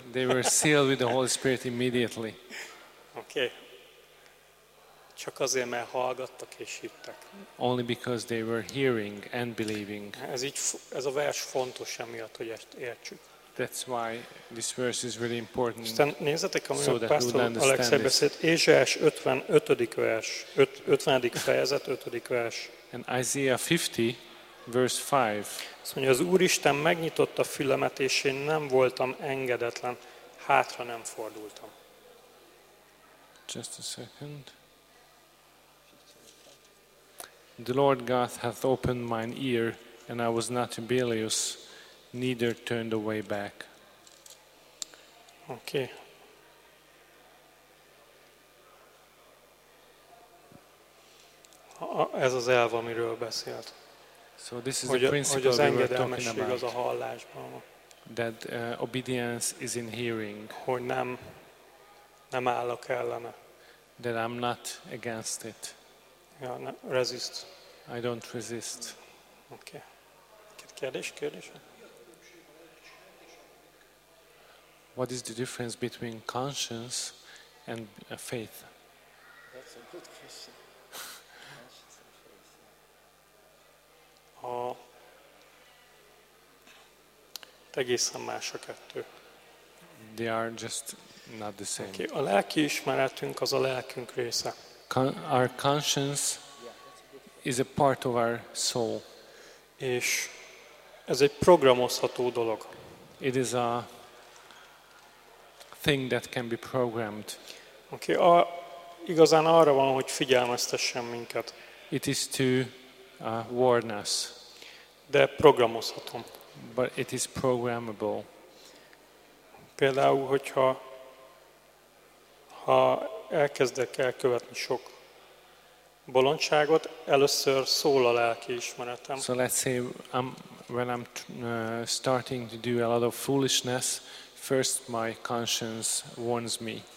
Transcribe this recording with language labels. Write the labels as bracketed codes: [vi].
[en] They were sealed with the Holy Spirit immediately. Okay. [hu] Csak azért, mert hallgattak és hittek. [en] Only because they were hearing and believing. [hu] Ez a vers fontos emiatt, hogy ezt értsük. [en] That's why this verse is really important. [hu] Nézzetek, amit a Pásztor Alexei beszélt. Ézsaiás 55. vers. 50. fejezet, 5. vers. [en] And Isaiah 50, verse 5. [hu] Azt mondja, az Úristen megnyitotta a fülemet, és én nem voltam engedetlen, hátra nem fordultam. [en] Just a second. The Lord God hath opened mine ear, and I was not rebellious. Neither turned away back. Okay. [hu] Ez az elv, amiről beszélt. [en] So this is the principle we were talking about. [hu] Hogy az engedelmesség az a hallásban. [en] that obedience is in hearing. [hu] Hogy nem állok ellene. [en] That I'm not against it. [hu] Ja, ne, resist. [en] I don't resist. [hu] Okay. Kérdés. [en] What is the difference between conscience and faith? That's a good question. [hu] Egészen más a kettő. [en] They are just not the same. [hu] Okay. A lelki ismeretünk az a lelkünk része. [en] Our conscience is a part of our soul. [hu] És ez egy programozható dolog. [en] It is a thing that can be programmed. Okay. [hu] Igazán arra van, hogy figyelmeztessen minket. [en] It is to warn us. [hu] De programozhatom. [en] But it is programmable. [hu] Például, hogyha elkezdek elkövetni sok bolondságot, először szól a lelki ismeretem. [en] So let's say when I'm starting to do a lot of foolishness, first my conscience warns me.